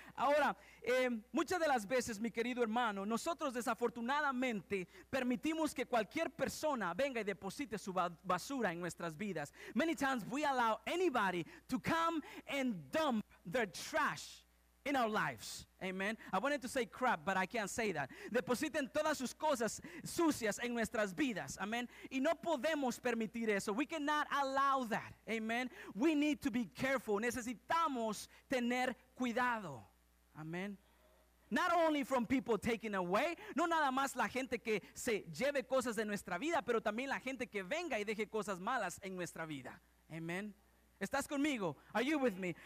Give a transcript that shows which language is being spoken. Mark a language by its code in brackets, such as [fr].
[es] Ahora, muchas de las veces, mi querido hermano, nosotros desafortunadamente permitimos que cualquier persona venga y deposite su basura en nuestras vidas. [en] Many times we allow anybody to come and dump their trash in our lives. Amen. I wanted to say crap, but I can't say that. [es] Depositen todas sus cosas sucias en nuestras vidas. Amen. Y no podemos permitir eso. [en] We cannot allow that. [es] Amen. [en] We need to be careful. [es] Necesitamos tener cuidado. [en] Amen. Not only from people taking away, [es] no nada más la gente que se lleve cosas de nuestra vida, pero también la gente que venga y deje cosas malas en nuestra vida. Amen. ¿Estás conmigo? [en] Are you with me?